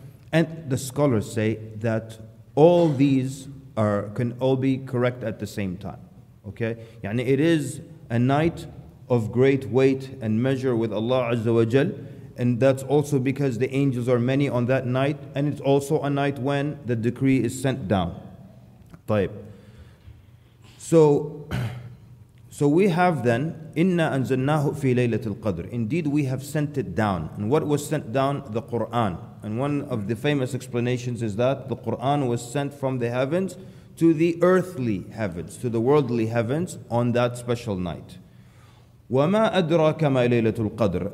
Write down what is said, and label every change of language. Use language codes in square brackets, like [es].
[en] And the scholars say that all these can all be correct at the same time. Okay? Yani it is a night of great weight and measure with Allah Azza wa Jal. And that's also because the angels are many on that night. And it's also a night when the decree is sent down. [ar] Taib. [en] So we have then, [ar] إِنَّا أَنزَلْنَاهُ فِي لَيْلَةِ الْقَدْرِ. [en] Indeed, we have sent it down. And what was sent down? The Qur'an. And one of the famous explanations is that the Qur'an was sent from the heavens to the earthly heavens, to the worldly heavens on that special night. [ar] وَمَا أَدْرَاكَ مَا لَيْلَةُ الْقَدْرِ.